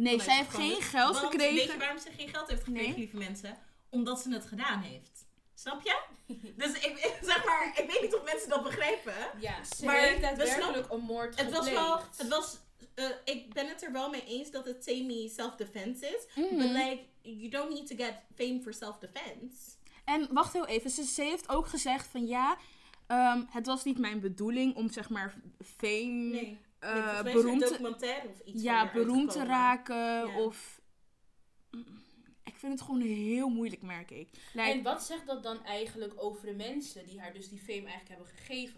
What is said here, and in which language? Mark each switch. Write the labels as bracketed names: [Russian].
[Dutch] Nee, zij heeft geen geld gekregen. Weet je waarom ze geen geld heeft gekregen, lieve mensen? Omdat ze het gedaan heeft. Snap je? Dus ik weet niet of mensen dat begrijpen. Ja, ze maar heeft daadwerkelijk een moord gepleegd. Ik ben het er wel mee eens dat het semi self-defense is. Mm-hmm. [English] But like, you don't need to get fame for self-defense. [Dutch] En wacht heel even. Ze heeft ook gezegd van ja, het was niet mijn bedoeling om zeg maar fame... Nee. Beroemd een documentaire of iets. Ja, beroemd te raken. Ja. Of... Ik vind het gewoon heel moeilijk, merk ik. Like, en wat zegt dat dan eigenlijk over de mensen die haar dus die fame eigenlijk hebben gegeven?